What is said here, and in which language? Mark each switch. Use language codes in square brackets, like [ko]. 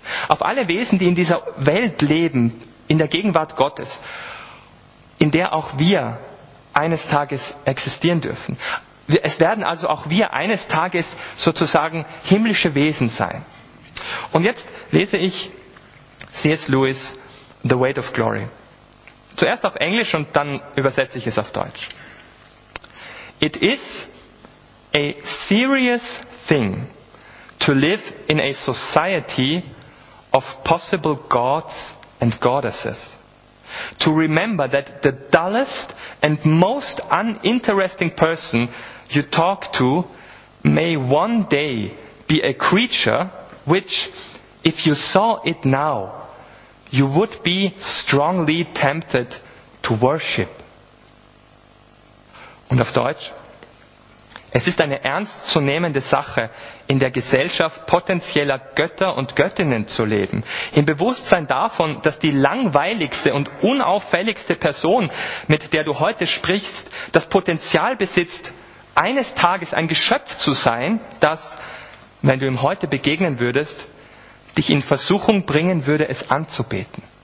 [de] Auf alle Wesen, die in dieser Welt leben, in der Gegenwart Gottes, in der auch wir eines Tages existieren dürfen. Es werden also auch wir eines Tages sozusagen himmlische Wesen sein. Und jetzt lese ich C.S. Lewis, The Weight of Glory. Zuerst auf Englisch und dann übersetze ich es auf Deutsch. [en] It is a serious thing to live in a society of possible gods and goddesses. To remember that the dullest and most uninteresting person you talk to may one day be a creature which, if you saw it now, you would be strongly tempted to worship. [de] Und auf Deutsch, es ist eine ernstzunehmende Sache, in der Gesellschaft potenzieller Götter und Göttinnen zu leben, im Bewusstsein davon, dass die langweiligste und unauffälligste Person, mit der du heute sprichst, das Potenzial besitzt, eines Tages ein Geschöpf zu sein, das, wenn du ihm heute begegnen würdest, dich in Versuchung bringen würde, es anzubeten.